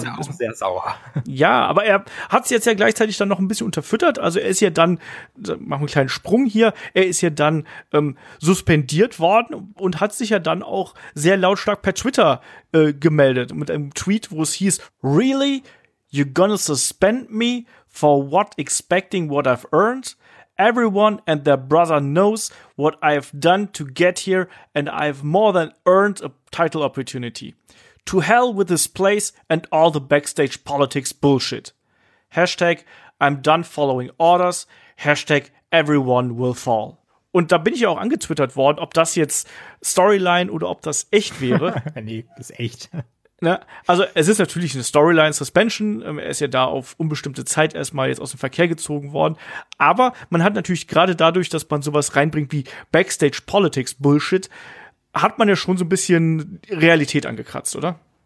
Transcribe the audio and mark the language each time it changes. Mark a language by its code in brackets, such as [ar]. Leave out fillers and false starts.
[de] Er ist auch sehr sauer. Ja, aber er hat's jetzt ja gleichzeitig dann noch ein bisschen unterfüttert. Also er ist ja dann, machen wir einen kleinen Sprung hier, er ist ja dann suspendiert worden und hat sich ja dann auch sehr lautstark per Twitter gemeldet mit einem Tweet, wo es hieß, [en] really? You're gonna suspend me for what? Expecting what I've earned? Everyone and their brother knows what I've done to get here and I've more than earned a title opportunity. To hell with this place and all the backstage politics bullshit. Hashtag I'm done following orders. Hashtag everyone will fall. [de] Und da bin ich ja auch angetwittert worden, ob das jetzt Storyline oder ob das echt wäre. Nee, das ist echt. Na, also es ist natürlich eine Storyline-Suspension. Er ist ja da auf unbestimmte Zeit erstmal jetzt aus dem Verkehr gezogen worden. Aber man hat natürlich gerade dadurch, dass man sowas reinbringt wie Backstage-Politics-Bullshit, hat man ja schon so ein bisschen Realität angekratzt, oder?